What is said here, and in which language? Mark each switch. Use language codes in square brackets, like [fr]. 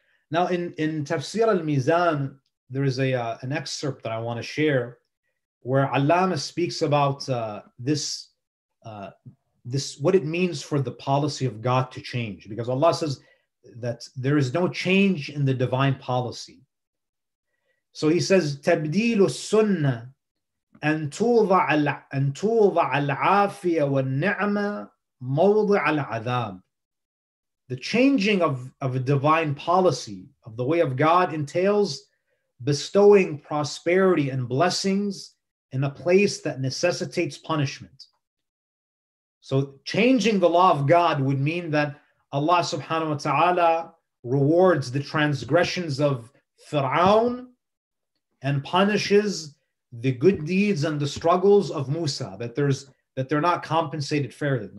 [en] Now in Tafsir al-Mizan, there is an excerpt that I want to share where Allama speaks about this what it means for the policy of God to change. Because Allah says that there is no change in the divine policy. So he says, [ar] تَبْدِيلُ السُنَّةِ أَنْ تُوضَعَ الْعَافِيَ وَالنِّعْمَ مَوْضِعَ الْعَذَابِ. [en] The changing of a divine policy of the way of God entails bestowing prosperity and blessings in a place that necessitates punishment. So changing the law of God would mean that Allah subhanahu wa ta'ala rewards the transgressions of Fir'aun and punishes the good deeds and the struggles of Musa, that they're not compensated fairly.